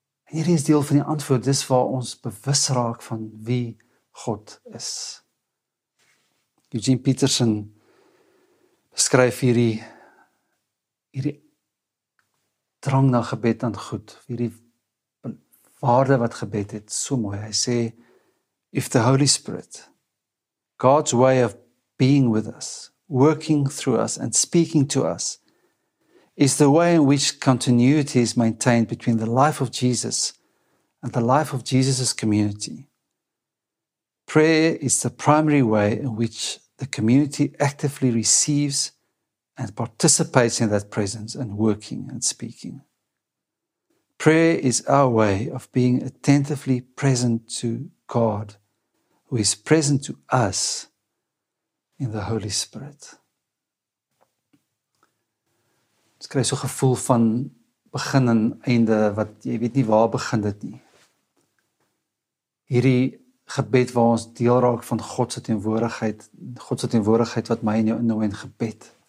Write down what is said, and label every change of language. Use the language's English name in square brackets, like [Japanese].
[Afrikaans] En hierdie is deel van die antwoord, dis waar ons bewus raak van wie God is. Eugene Peterson beskryf hierdie drang na gebed aan God, hierdie waarde wat gebed het, so mooi. [English] Hy sê, if the Holy Spirit, God's way of being with us, working through us and speaking to us, is the way in which continuity is maintained between the life of Jesus and the life of Jesus's community. Prayer is the primary way in which the community actively receives and participates in that presence and working and speaking. Prayer is our way of being attentively present to God, who is present to us in the Holy Spirit. [Afrikaans] Ons kry so gevoel van begin en einde, wat jy weet nie waar begin dit nie. Hierdie gebed waar ons deel raak van God se teenwoordigheid wat my en jou innooi in gebed.